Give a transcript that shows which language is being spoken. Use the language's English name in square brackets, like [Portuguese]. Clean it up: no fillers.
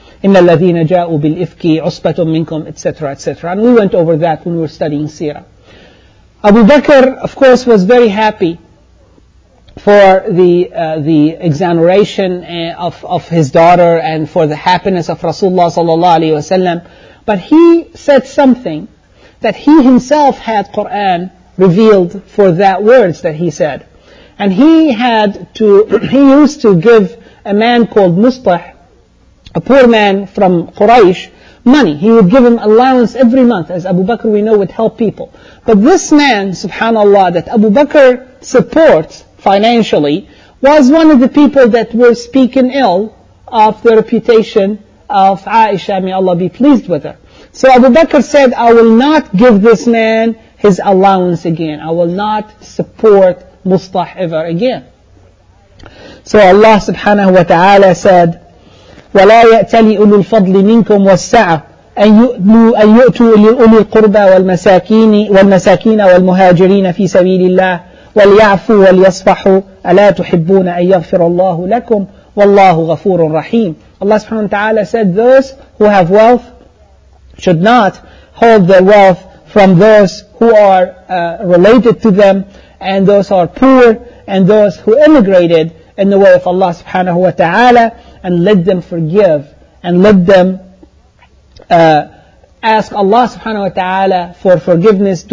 [Arabic] إِنَّ الَّذِينَ جَاءُوا بِالْإِفْكِ عُصْبَةٌ مِّنْكُمْ etc. etc. [English] And we went over that when we were studying Sirah. Abu Bakr, of course, was very happy for the exoneration of his daughter and for the happiness of Rasulullah sallallahu alayhi wa sallam. But he said something that he himself had Quran revealed for that words that he said. And he used to give a man called Mustah, a poor man from Quraysh, money. He would give him allowance every month, as Abu Bakr, we know, would help people. But this man, subhanAllah, that Abu Bakr supports financially, was one of the people that were speaking ill of the reputation of Aisha, may Allah be pleased with her. So Abu Bakr said, "I will not give this man his allowance again. I will not support Mustah ever again." So Allah subhanahu wa ta'ala said, [Arabic] وَلَا يَأْتَلِ أُولُو الْفَضْلِ مِنْكُمْ وَالسَّعَةِ أَنْ يُؤْتُوا أُولِي الْقُرْبَى وَالْمَسَاكِينَ وَالْمُهَاجِرِينَ فِي سَبِيلِ اللَّهِ وَلْيَعْفُوا وَلْيَصْفَحُوا أَلَا تُحِبُّونَ أَنْ يَغْفِرَ اللَّهُ لَكُمْ وَاللَّهُ غَفُورٌ رَحِيمٌ. [English] Allah subhanahu wa ta'ala said, those who have wealth should not hold their wealth from those who are related to them, and those who are poor, and those who immigrated in the way of Allah subhanahu wa ta'ala, and let them forgive, and let them ask Allah subhanahu wa ta'ala for forgiveness.